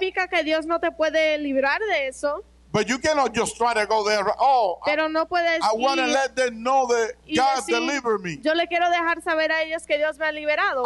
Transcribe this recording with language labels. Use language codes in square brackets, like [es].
[es] No significa que Dios no te puede librar de eso. [en] But you cannot just try to go there. Oh, [es] pero no puedes [en] I want to let them know that God [es] decir, [en] delivered me. [es] Yo le quiero dejar saber a ellos que Dios me ha liberado.